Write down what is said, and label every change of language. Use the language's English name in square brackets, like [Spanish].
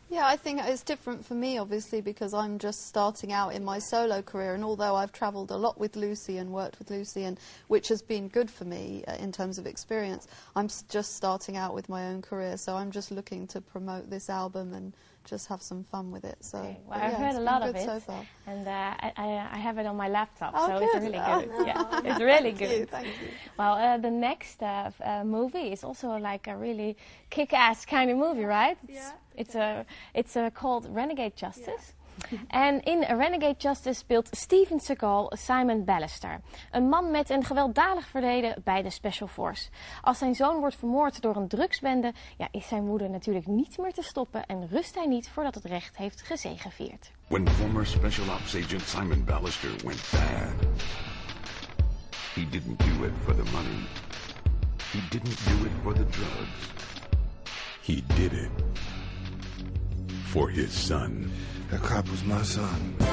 [English] Yeah, I think it's different for me, obviously, because I'm just starting out in my solo career, and although I've travelled a lot with Lucie and worked with Lucie, and which has been good for me in terms of experience, I'm just starting out with my own career, so I'm just looking to promote this album and just have some fun with it. So, okay. Well, I've heard a lot of it, so far. And I have it on my laptop, oh, so good. It's really good. Yeah, it's really thank good. Thank you. Well, the next movie is also like a really kick-ass kind of movie, right? It's called Renegade Justice. Yeah. [Dutch] En in Renegade Justice speelt Steven Seagal Simon Ballister, een man met een gewelddadig verleden bij de Special Force. Als zijn zoon wordt vermoord door een drugsbende, ja, is zijn moeder natuurlijk niet meer te stoppen en rust hij niet voordat het recht heeft gezegevierd. [English] When former Special Ops agent Simon Ballister went bad, he didn't do it for the money. He didn't do it for the drugs. He did it for his son. That cop was my son.